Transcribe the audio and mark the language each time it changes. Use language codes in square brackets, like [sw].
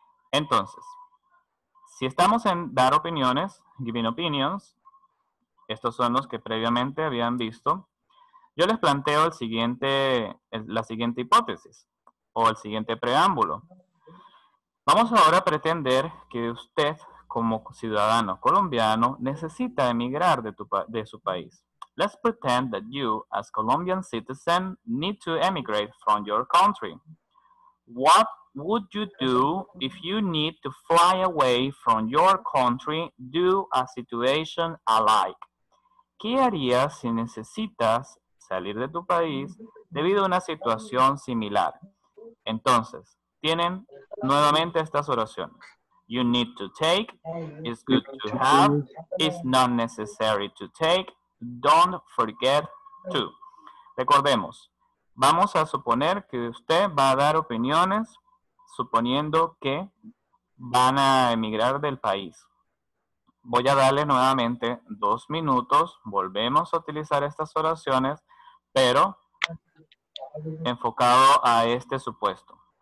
[es] Entonces, si estamos en dar opiniones, [en] giving opinions, [es] estos son los que previamente habían visto, yo les planteo la siguiente hipótesis o el siguiente preámbulo. Vamos ahora a pretender que usted, como ciudadano colombiano, necesita emigrar de su país. [en] Let's pretend that you, as Colombian citizen, need to emigrate from your country. What would you do if you need to fly away from your country due a situation alike? [es] ¿Qué harías si necesitas salir de tu país debido a una situación similar? Entonces, tienen nuevamente estas oraciones. [en] You need to take, it's good to have, it's not necessary to take, don't forget to. [es] Recordemos, vamos a suponer que usted va a dar opiniones suponiendo que van a emigrar del país. Voy a darle nuevamente 2 minutos, volvemos a utilizar estas oraciones, pero enfocado a este supuesto.